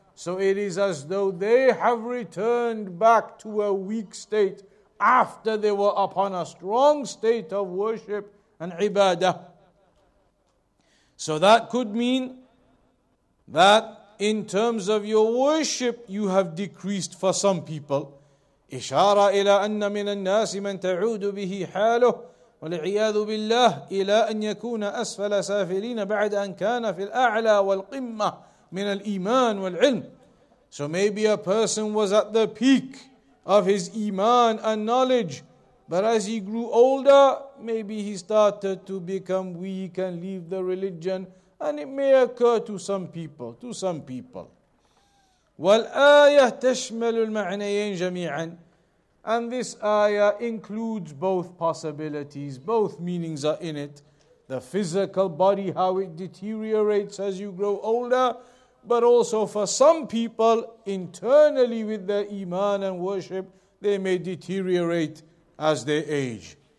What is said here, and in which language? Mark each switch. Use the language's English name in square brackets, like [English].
[English] So it is as though they have returned back to a weak state after they were upon a strong state of worship and ibadah. So that could mean that in terms of your worship, you have decreased for some people. [Arabic] إشارة إلى أن من الناس من تعود به حاله والعياذ بالله إلى أن يكون أسفل سافلين بعد أن كان في الأعلى والقمة من الإيمان والعلم. [English] So maybe a person was at the peak of his iman and knowledge, but as he grew older, maybe he started to become weak and leave the religion, and it may occur to some people, to some people. [Arabic] والآية تشمل المعنيين جميعا. [English] And this ayah includes both possibilities, both meanings are in it. The physical body, how it deteriorates as you grow older, but also for some people, internally with their iman and worship, they may deteriorate as they age.